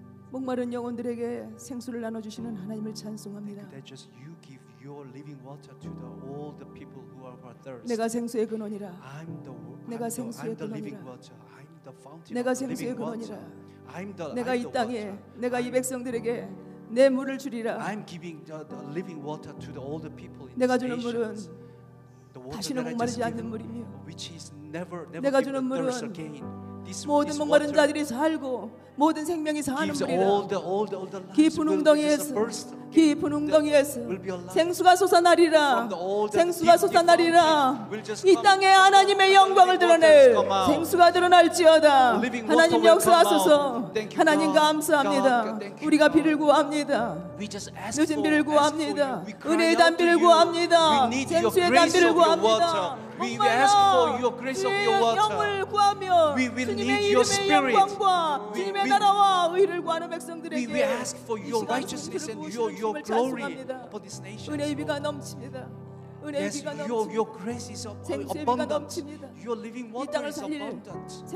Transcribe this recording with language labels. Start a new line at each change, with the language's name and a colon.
Korean: 목마른 영혼들에게 생수를 나눠 주시는 하나님을 찬송합니다.
English: That just you give your living water to the all the people who are thirsty.
Korean: 내가 생수의 근원이라.
English: I'm the water. I'm the living water. I'm the fountain.
Korean: 내가 생수의 근원이라.
English: I'm the
Korean: 내가 이 땅에 내가 이 백성들에게 내 물을 주리라.
English: I'm giving the living water to all the people in
Korean: 내가 주는 물은 다시는 목마르지 않는 물이며
English: which is never
Korean: 내가 주는 물은 모든 목마른 자들이 살고 모든 생명이 사는 물이라 깊은 웅덩이에서 깊은 웅덩이에서 생수가 솟아나리라 생수가 솟아나리라 이 땅에 하나님의 영광을 드러낼 생수가 드러날지어다 하나님 역사하소서 하나님 감사합니다 우리가 비를 구합니다 요즘 비를 구합니다 은혜의 담비를 구합니다 생수의 담비를 구합니다
English: We ask for your grace of your water. We will need your spirit. We ask for your righteousness and your glory for this nation. Yes, your grace is abundant. Your living water is abundant.